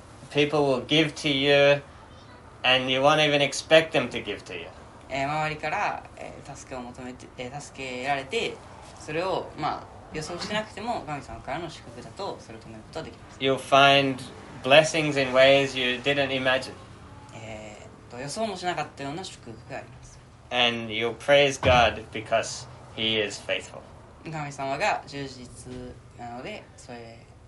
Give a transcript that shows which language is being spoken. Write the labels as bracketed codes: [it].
[en] People will give to you, and you won't even expect them to give to you. [ja] 周りから、助けを求めて、助けられて、それを、まあ、予想してなくても神様からの祝福だとそれを止めることができます。 [en] You'll find blessings in ways you didn't imagine. [ja] 予想もしなかったような祝福があります。 [en] And you'll praise God because He is faithful. [ja] 神様が忠実なので、それ、